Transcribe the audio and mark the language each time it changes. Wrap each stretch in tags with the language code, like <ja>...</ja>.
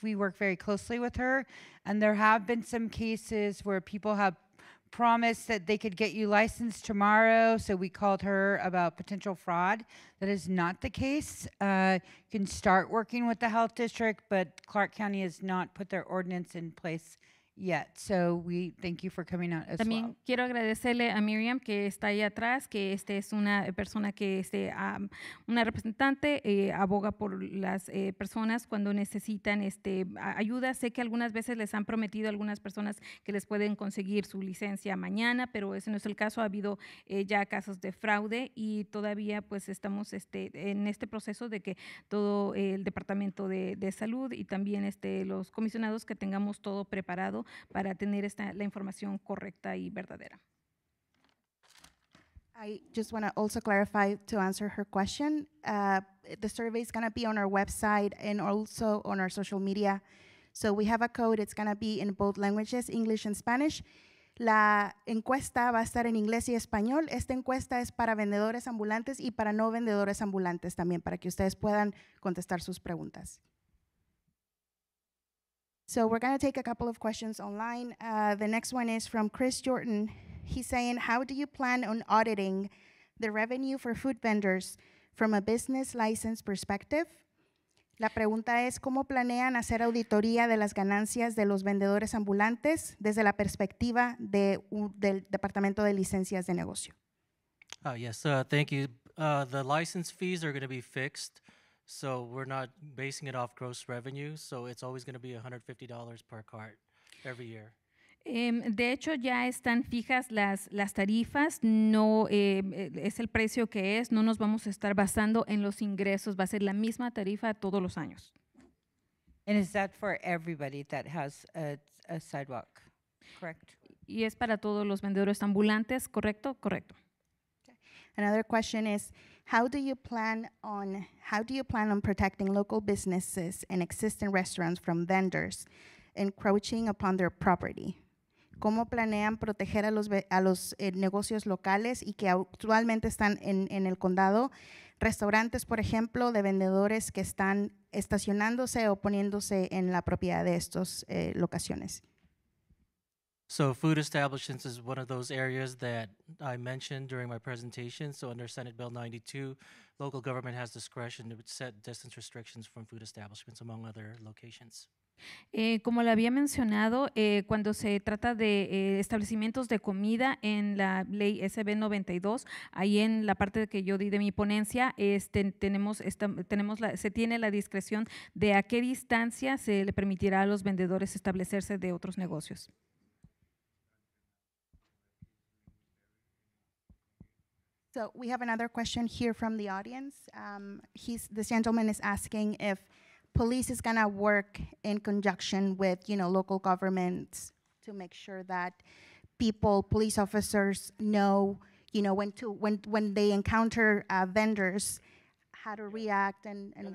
<en>We work very closely with her, and there have been some cases where people have promised that they could get you licensed tomorrow, so we called her about potential fraud. That is not the case. You can start working with the health district, but Clark County has not put their ordinance in place yet, so we thank you for coming out as well.</en> <es>También quiero agradecerle a Miriam que está ahí atrás, que es una persona que una representante, aboga por las personas cuando necesitan ayuda. Sé que algunas veces les han prometido a algunas personas que les pueden conseguir su licencia mañana, pero ese no es el caso. Ha habido ya casos de fraude y todavía pues estamos en este proceso de que todo el Departamento de Salud y también los comisionados que tengamos todo preparado para tener la información correcta y verdadera.</es> <en>I just want to also clarify to answer her question. The survey is going to be on our website and also on our social media. So we have a code. It's going to be in both languages, English and Spanish.</en> <es>La encuesta va a estar en inglés y español. Esta encuesta es para vendedores ambulantes y para no vendedores ambulantes también, para que ustedes puedan contestar sus preguntas.</es> <en>So we're going to take a couple of questions online. The next one is from Chris Jordan. He's saying, how do you plan on auditing the revenue for food vendors from a business license perspective?</en> <es>La pregunta es, ¿cómo planean hacer auditoría de las ganancias de los vendedores ambulantes desde la perspectiva del Departamento de Licencias de Negocio?</es> <en>Thank you. The license fees are going to be fixed. So we're not basing it off gross revenue, so it's always going to be $150 per cart every year.</en> <es>De hecho, ya están fijas las tarifas, no es el precio que es, no nos vamos a estar basando en los ingresos, va a ser la misma tarifa todos los años.</es> <en>And is that for everybody that has a sidewalk, correct?</en> <es>Y es para todos los vendedores ambulantes, ¿correcto? Correcto.</es> <en>Another question is, How do you plan on protecting local businesses and existing restaurants from vendors encroaching upon their property?</en> <es>¿Cómo planean proteger a los negocios locales y que actualmente están en el condado? Restaurantes, por ejemplo, de vendedores que están estacionándose o poniéndose en la propiedad de estos locaciones.</es> <en>So food establishments is one of those areas that I mentioned during my presentation. So under Senate Bill 92, local government has discretion to set distance restrictions from food establishments, among other locations.</en> <es>Como lo había mencionado, cuando se trata de establecimientos de comida en la ley SB 92, ahí en la parte que yo di de mi ponencia, se tiene la discreción de a qué distancia se le permitirá a los vendedores establecerse de otros negocios.</es> <en>So we have another question here from the audience. This gentleman is asking if police is going to work in conjunction with, local governments to make sure that police officers know, when they encounter vendors, how to react and what to do.</en>